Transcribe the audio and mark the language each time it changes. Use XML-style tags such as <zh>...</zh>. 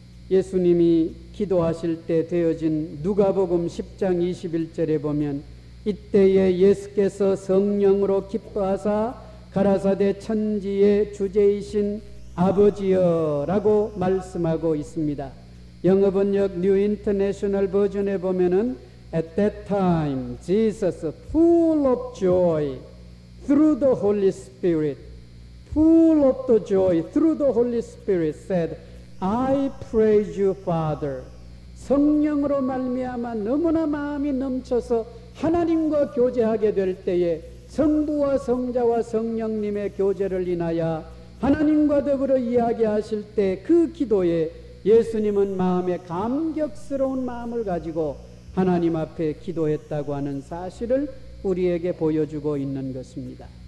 <ko>예수님이 기도하실 때 되어진 누가복음 10장 21절에 보면 이때에 예수께서 성령으로 기뻐하사 가라사대 천지의 주재이신 아버지여라고 말씀하고 있습니다. 영어번역 뉴 인터내셔널 버전에 보면은</ko> <en>At that time, Jesus, full of joy through the Holy Spirit, full of the joy through the Holy Spirit, said, I praise you, Father.</en> <ko>성령으로 말미암아 너무나 마음이 넘쳐서 하나님과 교제하게 될 때에 성부와 성자와 성령님의 교제를 인하여 하나님과 더불어 이야기하실 때 그 기도에 예수님은 마음에 감격스러운 마음을 가지고 하나님 앞에 기도했다고 하는 사실을 우리에게 보여주고 있는 것입니다.</ko>